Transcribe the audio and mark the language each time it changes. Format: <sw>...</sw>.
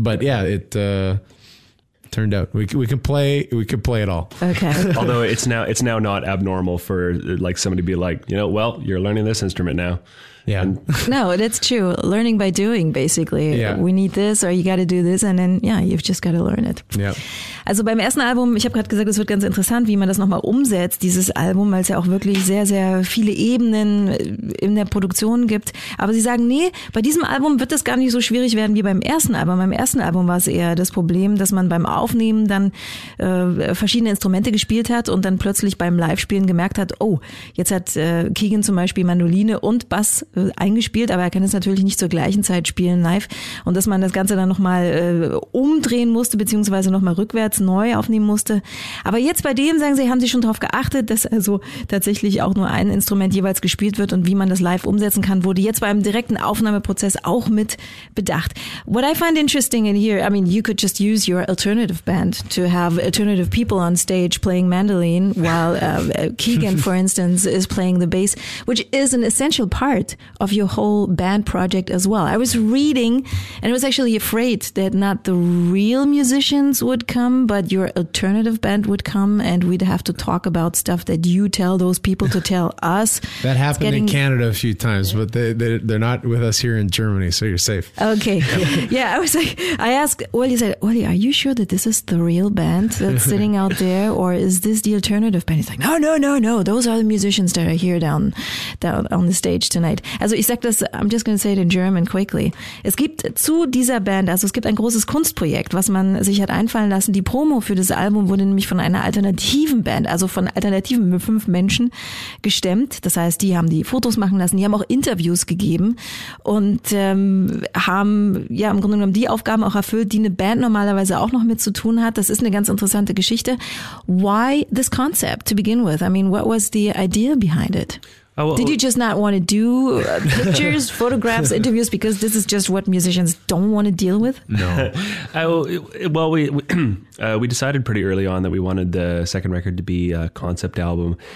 <en>But yeah, it turned out we can play it all. Okay. Although it's now not abnormal for like somebody to be like, you know, well, you're learning this instrument now. Yeah. No, that's true. Learning by doing, basically. Yeah. We need this or you got to do this. And then, yeah, you've just got to learn it. Yeah.</en> <de>Also beim ersten Album, ich habe gerade gesagt, es wird ganz interessant, wie man das nochmal umsetzt, dieses Album, weil es ja auch wirklich sehr, sehr viele Ebenen in der Produktion gibt. Aber sie sagen, nee, bei diesem Album wird das gar nicht so schwierig werden wie beim ersten Album. Beim ersten Album war es eher das Problem, dass man beim Aufnehmen dann verschiedene Instrumente gespielt hat und dann plötzlich beim Live-Spielen gemerkt hat, oh, jetzt hat Keegan zum Beispiel Mandoline und Bass eingespielt, aber er kann es natürlich nicht zur gleichen Zeit spielen live. Und dass man das Ganze dann nochmal umdrehen musste, beziehungsweise nochmal rückwärts neu aufnehmen musste. Aber jetzt bei dem, sagen sie, haben sie schon darauf geachtet, dass also tatsächlich auch nur ein Instrument jeweils gespielt wird und wie man das live umsetzen kann, wurde jetzt beim direkten Aufnahmeprozess auch mit bedacht.</de> <en>What I find interesting in here, I mean, you could just use your alternative band to have alternative people on stage playing mandolin while Keegan, for instance, is playing the bass, which is an essential part of your whole band project as well. I was reading and I was actually afraid that not the real musicians would come, but your alternative band would come and we'd have to talk about stuff that you tell those people to tell us. That happened in Canada a few times, but they're not with us here in Germany, so you're safe. Okay. Yeah, I was like, I asked, well, you said, Wally, are you sure that this is the real band that's sitting out there or is this the alternative band? He's like, no, those are the musicians that are here down on the stage tonight.</en> <de>Also ich sag das,</de> <en>I'm just going to say it in German quickly.</en> <de>Es gibt zu dieser Band, also es gibt ein großes Kunstprojekt, was man sich hat einfallen lassen. Die Promo für das Album wurde nämlich von einer alternativen Band, also von alternativen fünf Menschen gestemmt. Das heißt, die haben die Fotos machen lassen, die haben auch Interviews gegeben und haben ja im Grunde genommen die Aufgaben auch erfüllt, die eine Band normalerweise auch noch mit zu tun hat. Das ist eine ganz interessante Geschichte.</de> <en>Why this concept to begin with? I mean, what was the idea behind it? Oh, well, did you just not want to do pictures, photographs, interviews, because this is just what musicians don't want to deal with? No. we decided pretty early on that we wanted the second record to be a concept album.</en>